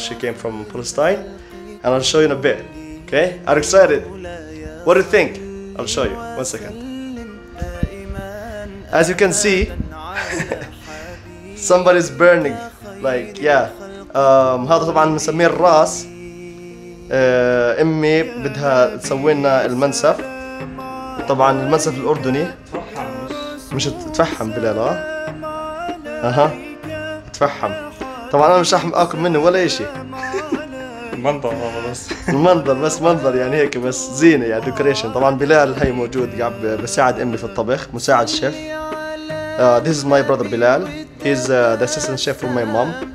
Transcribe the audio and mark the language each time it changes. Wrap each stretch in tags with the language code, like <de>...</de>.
<en>She came from Palestine. And I'll show you in a bit, okay? Are you excited? What do you think? I'll show you. One second. As you can see, somebody's burning. Like, yeah.</en> <ar>هذا طبعا مسمي الراس. أمي بدها تسوي لنا المنسف. طبعا المنسف الاردني تفحم. مش تفحم بلال. تفحم طبعا. انا مش احمل اكل منه ولا اشي. المنظر هذا بس. المنظر بس، منظر يعني هيك بس زينه يعني ديكوريشن. طبعا بلال هي موجود قاعد بساعد امي في الطبخ، مساعد شيف.</ar> <en>This is my brother بلال. He's the assistant chef for my mom.</en>